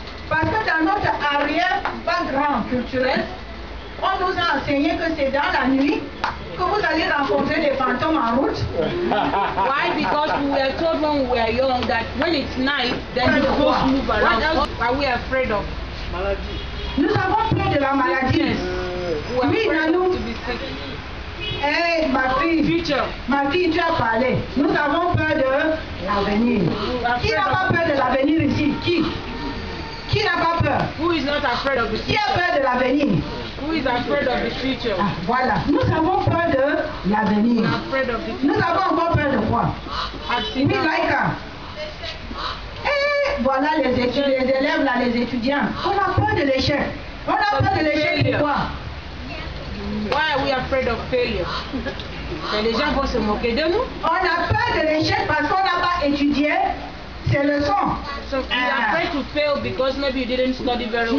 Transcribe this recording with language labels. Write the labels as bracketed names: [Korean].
[French] Parce que dans notre arrière-background culturel, on nous a enseigné que c'est dans la nuit que vous allez rencontrer des fantômes en route. [English] Why? Because we were told when we were young that when it's night, then the ghosts move around. What else are we afraid of? [French] Maladie. Nous avons peur de la maladie. [English] Yes. We are afraid to be sick. [French] Hey, ma fille, tu as parlé. Nous avons peur de l'avenir. Qui n'a pas peur de l'avenir ici? Qui? Qui n'a pas peur? [English] Who is not afraid of the future? [French] Qui a peur de l'avenir? [English] Who is afraid of the future? [French] Ah, voilà. Nous avons peur de l'avenir. [English] We are afraid of the future. [French] Nous avons encore peur de quoi? Accident. Oui, Laïka. Hey, voilà les élèves, là, les étudiants. On a peur de l'échec. On a peur de l'échec de quoi? [English] Why are we afraid of failure? [French] Les gens vont se moquer de nous. On a peur de l'échec parce qu'on n'a pas étudié ses leçons. [English] So we are afraid to fail because maybe you didn't study very well.